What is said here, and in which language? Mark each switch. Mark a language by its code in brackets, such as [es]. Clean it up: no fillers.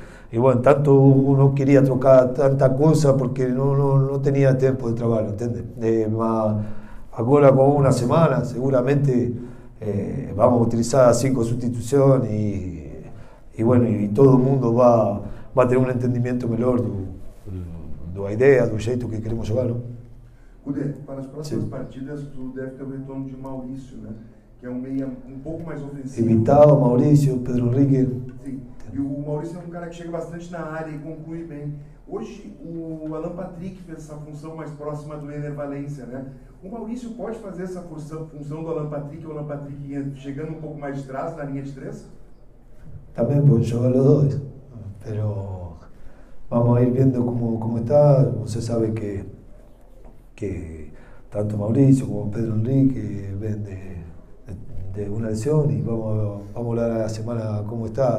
[es] Y bueno, tanto uno quería trocar tanta cosa porque no tenía tiempo de trabajo, ¿entiendes? Ahora con una semana seguramente vamos a utilizar 5 sustituciones y bueno, y todo el mundo va a tener un entendimiento mejor de la idea, del jeito que queremos llevar, ¿no? [pt] Cudê, para as próximas partidas, tu deve ter o retorno de Maurício, né? Que é um meia um pouco mais ofensivo. Evitado, Maurício, Pedro Henrique. Sim, e o Maurício é um cara que chega bastante na área e conclui bem. Hoje, o Alan Patrick fez essa função mais próxima do Ener Valência, né? O Maurício pode fazer essa função do Alan Patrick, o Alan Patrick chegando um pouco mais de trás na linha de três? Também pode jogar os dois, mas vamos ir vendo como está. Você sabe que [es] tanto Mauricio como Pedro Enrique ven de una lesión y vamos a hablar a la semana cómo está.